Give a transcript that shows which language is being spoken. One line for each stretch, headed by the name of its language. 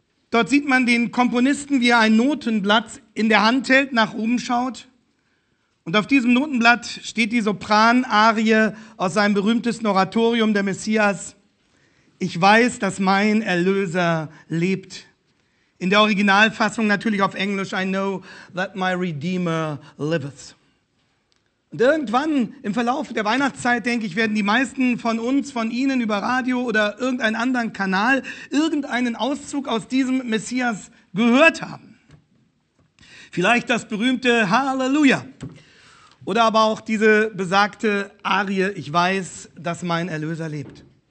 German: Dort sieht man den Komponisten, wie er ein Notenblatt in der Hand hält, nach oben schaut. Und auf diesem Notenblatt steht die Sopran-Arie aus seinem berühmtesten Oratorium, der Messias. Ich weiß, dass mein Erlöser lebt. In der Originalfassung natürlich auf Englisch.
English: I know that my Redeemer liveth.
German: Und irgendwann im Verlauf der Weihnachtszeit, denke ich, werden die meisten von uns, von Ihnen über Radio oder irgendeinen anderen Kanal, irgendeinen Auszug aus diesem Messias gehört haben. Vielleicht das berühmte Halleluja. Oder aber auch diese besagte Arie, ich weiß, dass mein Erlöser lebt.